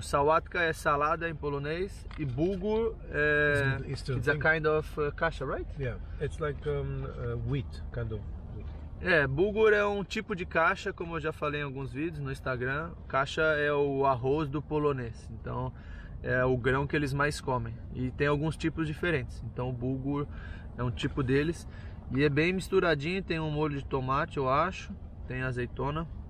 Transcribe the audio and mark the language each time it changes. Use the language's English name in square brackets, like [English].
[Portuguese] Sawatka é salada em polonês e bulgur é [English] it's a kind of kasha, right? Yeah, it's like wheat kind of. [Portuguese] É, bulgur é um tipo de kasha, como eu já falei em alguns vídeos no Instagram. Kasha é o arroz do polonês. Então, é o grão que eles mais comem e tem alguns tipos diferentes. Então, o bulgur é um tipo deles. E é bem misturadinho, tem um molho de tomate, eu acho. Tem azeitona.